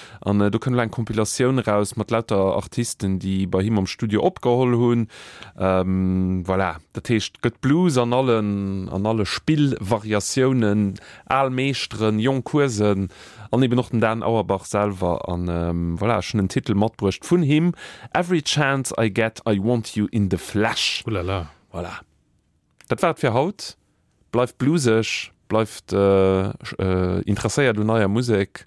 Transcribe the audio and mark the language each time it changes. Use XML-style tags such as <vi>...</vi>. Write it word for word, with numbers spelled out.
<de>Und, äh, da kommt eine Kompilation raus mit lauter Artisten, die bei ihm am Studio abgeholt haben. Ähm, voilà. Das heißt, geht Blues an allen, an alle Spielvariationen, Allmeistern, Jungkursen. Und eben noch den Dan Auerbach selber. Und, ähm, voilà, schon einen Titel mitgebracht von ihm.</de> <en>Every chance I get, I want you in the flesh. Ohlala.</en> <de>Voilà. Das war für heute. Bleibt bluesig, bleibt äh, äh, interessiert an neuer Musik.</de>